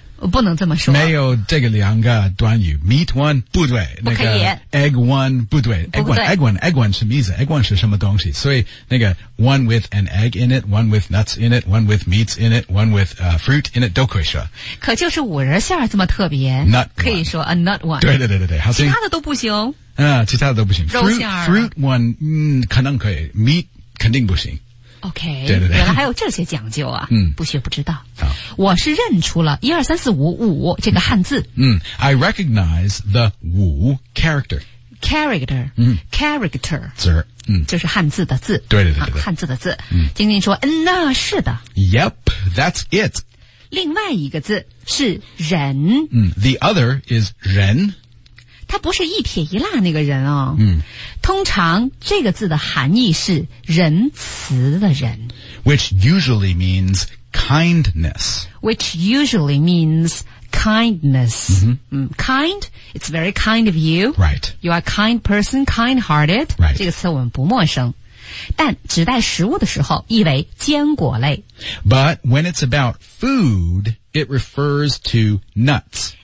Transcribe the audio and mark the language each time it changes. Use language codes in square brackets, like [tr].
[zh] 不能这么说。没有这个两个短语 ，meat one 不对，那个 egg one 不对 ，egg one 什么意思 ？egg one 是什么东西？所以那个 [en] one with an egg in it, one with nuts in it, one with meats in it, one with fruit in it [zh] 都可以说。可就是五仁馅这么特别 [en] ，nut [zh] 可以说 [en] a nut one。 [zh] 对对对对对，其他的都不行。其他的都不行。肉馅 fruit one 可能可以 ，meat 肯定不行。 [en] OK, [zh] 对对对原来还有这些讲究啊不学不知道。好我是认出了12345这个汉字。 [en] I recognize the 五 character. Character, character. [zh] 字就是汉字的字。对对 对, 对, 对。汉字的字。晶晶说那是的。 [en] Yep, that's it. [zh] 另外一个字是人。 [en] The other is 人。 [zh] 他不是一撇一捺那个人哦。嗯，通常这个字的含义是仁慈的人。 [en] Which usually means kindness. Which usually means kindness. Mm-hmm. Kind, it's very kind of you. Right. You are a kind person, kind-hearted. Right. [zh] 这个词我们不陌生。但指代食物的时候意为坚果类。 [en] But when it's about food, it refers to nuts.